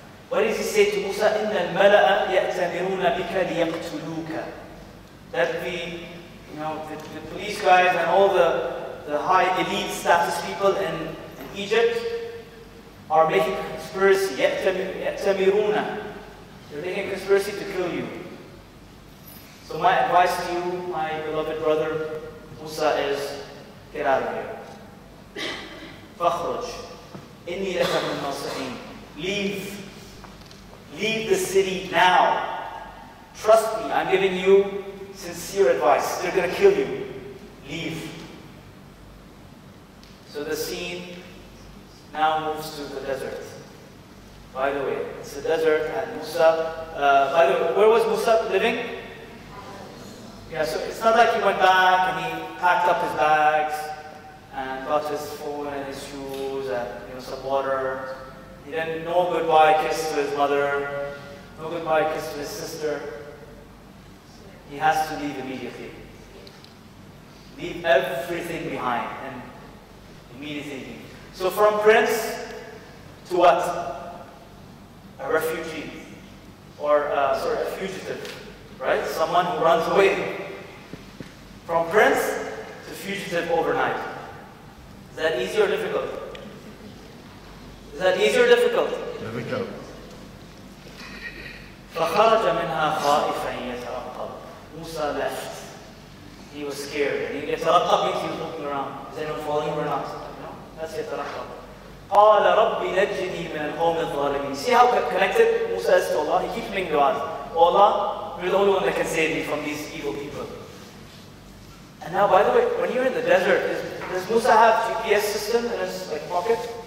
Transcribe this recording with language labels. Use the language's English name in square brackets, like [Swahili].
[English] What does he say to Musa? [Arabic] إِنَّ الْمَلَأَ يَأْتَمِرُونَ بِكَ لِيَقْتُلُوكَ [English] That the police guys and all the high elite status people in Egypt are making a conspiracy. يَأْتَمِرُونَ They're making a conspiracy to kill you. So my advice to you, my beloved brother Musa, is get out of here. [Arabic] فَخْرُجْ إِنِّي لَكَ مِنْ نَصِحِينَ [English] Leave. Leave the city now. Trust me, I'm giving you sincere advice. They're going to kill you. Leave. So the scene now moves to the desert. By the way, it's a desert and Musa. By the way, where was Musa living? Yeah, so it's not like he went back and he packed up his bags and got his phone and his shoes and some water. He then no goodbye kiss to his mother, no goodbye kiss to his sister. He has to leave immediately. Leave everything behind and immediately leave. So from prince to what? A refugee. Or a fugitive, right? Someone who runs away. From prince to fugitive overnight. Is that easy or difficult? Is that easy or difficult? Difficult. [Arabic] فَخَرَجَ مِنْهَا خَائِفًا يَتَرَقَّبُ [English] Musa left. He was scared. And يَتَرَقَّبُ means he was looking around. Is anyone following him or not? No? That's يَتَرَقَّبُ. [Arabic] قَالَ رَبِّ نَجِّنِي مِنَ الْقَوْمِ الظَّالِمِينَ [English] See how connected Musa is to Allah? He keeps making dua. Oh Allah, you're the only one that can save me from these evil people. And now, by the way, when you're in the desert, does Musa have GPS system in his pocket?